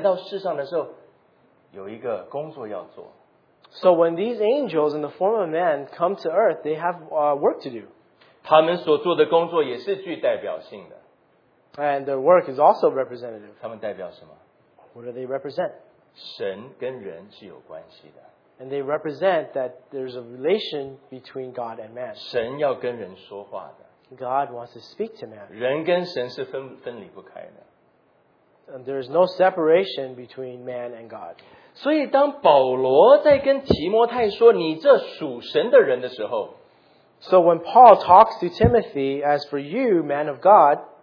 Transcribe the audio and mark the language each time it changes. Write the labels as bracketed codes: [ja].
[zh] 所以这些天使当他们成为人的形象，圣经上面称他们为神人或属神的人来到世上的时候，有一个工作要做。 [en] So when these angels in the form of man come to earth, they have work to do. [zh] 他们所做的工作也是具代表性的。 [en] And their work is also representative. [zh] 他们代表什么？ [en] What do they represent? [zh] 神跟人是有关系的。 [en] And they represent that there's a relation between God and man. [zh] 神要跟人说话的。 [en] God wants to speak to man. [zh] 人跟神是分离不开的。 [en] And there is no separation between man and God. [zh] 所以当保罗在跟提摩太说你这属神的人的时候， [en] So when Paul talks to Timothy, as for you, man of God,